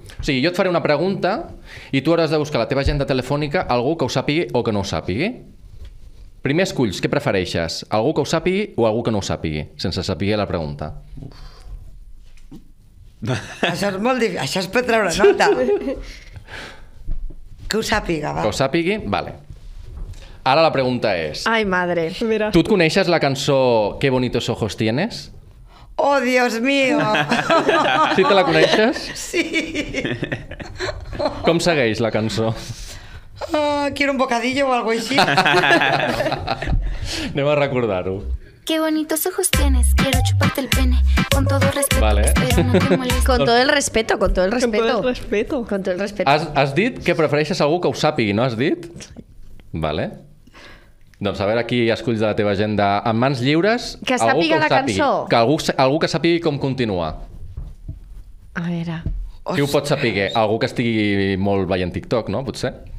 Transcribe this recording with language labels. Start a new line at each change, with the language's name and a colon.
Catalan: O sigui, jo et faré una pregunta i tu hauràs de buscar la teva agenda telefònica algú que ho sàpigui o que no ho sàpigui. Primer esculls, què prefereixes? Algú que ho sàpigui o algú que no ho sàpigui? Sense saber la pregunta. Això és molt difícil. Això és per treure nota. Que ho sàpiga, va. Que ho sàpigui, vale. Ara la pregunta és...
Spanish: Ai, madre.
Catalan: Tu et coneixes la cançó
Spanish: Qué bonitos ojos tienes? Oh, Dios mío.
Catalan: Sí, te la coneixes? Sí. Com segueix la cançó?
Spanish: Quiero un bocadillo o algo así.
Catalan: Anem a recordar-ho.
Spanish: Qué bonitos ojos tienes, quiero chuparte el pene. Con todo el respeto, vale. Con todo el respeto, con todo el respeto. Con todo el respeto. Con todo el respeto.
Catalan: Has dit que prefereixes algú que ho sàpigui, no has dit? Vale. Doncs a veure qui esculls de la teva agenda amb mans lliures. Que sàpiga la cançó. Que algú que sàpigui com continua. A veure. Qui ho pot sàpiguer? Algú que estigui molt veient TikTok, no? Potser.